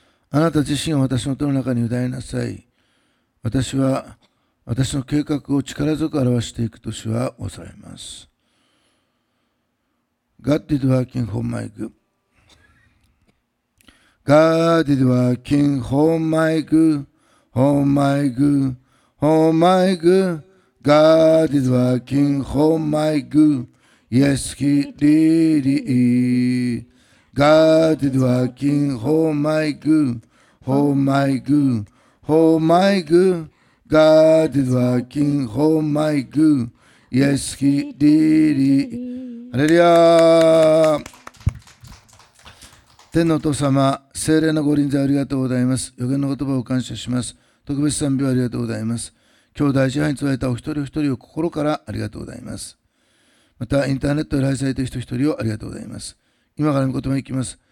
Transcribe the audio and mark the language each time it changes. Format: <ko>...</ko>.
<ja>あなた自身を私の手の中に委ねなさい。私は私の計画を力強く表していくと主は仰られます。</ja> <en>God is working for my good. God is working for my good. For my good. For my good. God is working for my good. Yes, he really is. God is working for my good. For my good. For my goodGod is working for my good. Yes, he did it. ハレルヤ。</en> <ja>天のお父様、聖霊のご臨在ありがとうございます。預言の言葉を感謝します。特別賛美をありがとうございます。今日大事派に伝えたお一人お一人を心からありがとうございます。またインターネットで配信されている人一人をありがとうございます。今から御言葉いきます。</ja>